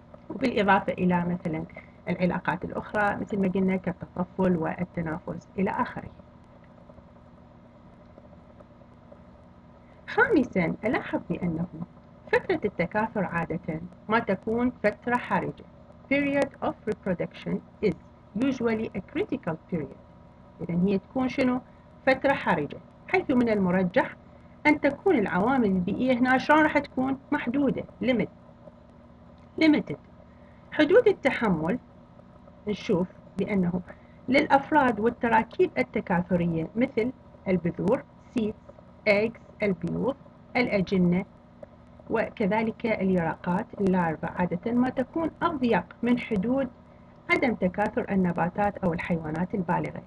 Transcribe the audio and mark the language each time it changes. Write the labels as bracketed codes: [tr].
[ar] وبالإضافة إلى مثلا العلاقات الأخرى مثل ما قلنا كالتطفل والتنافس إلى آخره. خامسا، ألاحظ بأنه فترة التكاثر عادة ما تكون فترة حرجة. [en] Period of reproduction is usually a critical period. [ar] إذا هي تكون شنو؟ فترة حرجة، حيث من المرجح أن تكون العوامل البيئية هنا شلون راح تكون محدودة، limited. حدود التحمل نشوف بأنه للأفراد والتراكيب التكاثرية مثل البذور seeds, eggs, البيوض, الأجنة وكذلك اليرقات اللاربة عادة ما تكون أضيق من حدود عدم تكاثر النباتات أو الحيوانات البالغة.